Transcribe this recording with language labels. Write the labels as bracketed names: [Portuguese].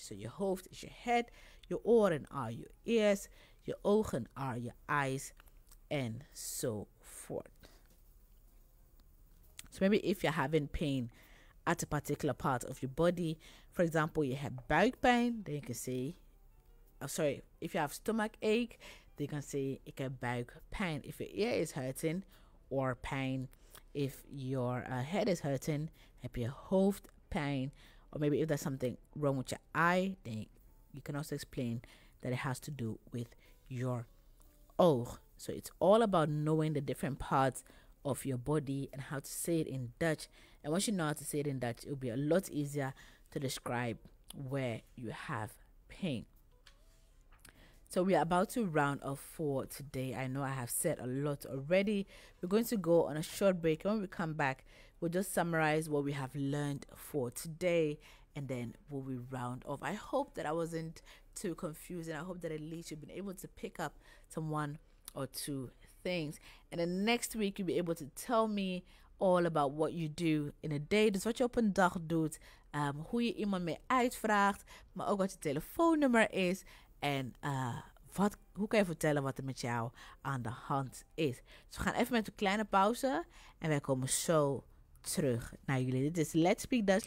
[English] So your hoofd is your head, your oren are your ears, your ogen are your eyes, and so forth. So maybe if you're having pain at a particular part of your body, for example, you have buikpijn, then you can say, if you have stomach ache, they can say [Dutch] ik heb buikpijn. [English] If your ear is hurting, or pain. If your head is hurting, [Dutch] heb je hoofdpijn. [English] Or maybe if there's something wrong with your eye, then you can also explain that it has to do with your oog. So it's all about knowing the different parts of your body and how to say it in Dutch. And once you know how to say it in Dutch, it'll be a lot easier to describe where you have pain. So we are about to round off for today. I know I have said a lot already. We're going to go on a short break. And when we come back, we'll just summarize what we have learned for today. And then we'll be round off. I hope that I wasn't too confusing. I hope that at least you've been able to pick up some one or two things. And then next week you'll be able to tell me all about what you do in a day. [Dutch] Dus wat je op een dag doet. Hoe je iemand mee uitvraagt. Maar ook wat je telefoonnummer is. En hoe kan je vertellen wat er met jou aan de hand is. Dus we gaan even met een kleine pauze. En wij komen zo terug naar jullie. Dit is Let's Speak Dutch.